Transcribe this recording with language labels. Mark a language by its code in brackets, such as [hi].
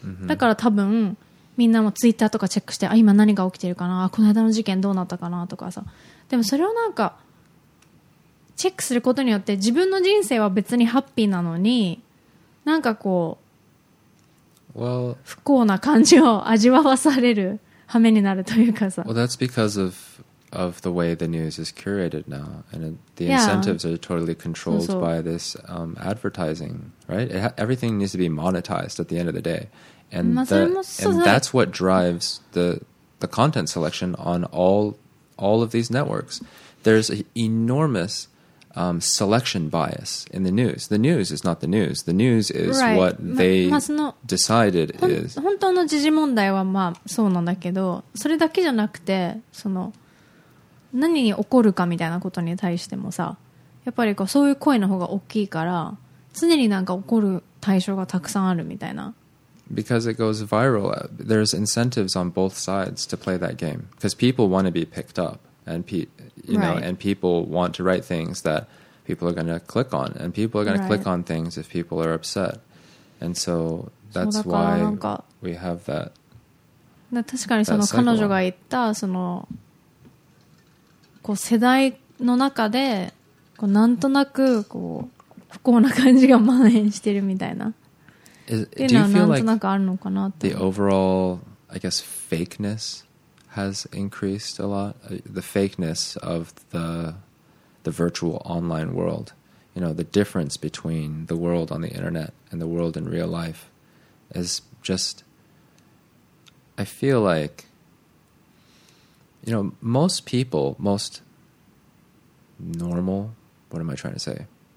[ja] だから多分みんなもツイッターとかチェックして、あ、今何が起きてるかな、この間の事件どうなったかなとかさ、でもそれをなんかチェックすることによって自分の人生は別にハッピーなのに、なんかこう、 [en] Well, [ja] 不幸な感じを味わわされる羽目になるというかさ。 [en] Well, that's because of the way the news is curated now, and the incentives are totally controlled by this advertising, right? Everything needs to be monetized at the end of the day, and that's what drives the content selection on all of these networks. There's an enormous selection bias in the news. The news is not the news. The news is what they decided is. [ja] 本当の時事問題はまあそうなんだけど、それだけじゃなくて、その何に起こるかみたいなことに対してもさ、やっぱりこうそういう声の方が大きいから、常になんか起こる対象がたくさんあるみたいな。 [en] Because it goes viral, there's incentives on both sides to play that game. Because people want to be picked up. And you know, and people want to write things that people are going to click on, and people are going to click on things if people are upset, and so that's why we have that. [ja] 確かにその彼女が言ったそのこう世代の中でこうなんとなくこう不幸な感じが蔓延してるみたいな。 [en] Do you feel like [ja] なんかあるのかなって。 [en] The overall, I guess, fakeness. Has increased a lot, the fakeness of the virtual online world. You know, the difference between the world on the internet and the world in real life is just, I feel like, you know, most people, most normal, what am I trying to say?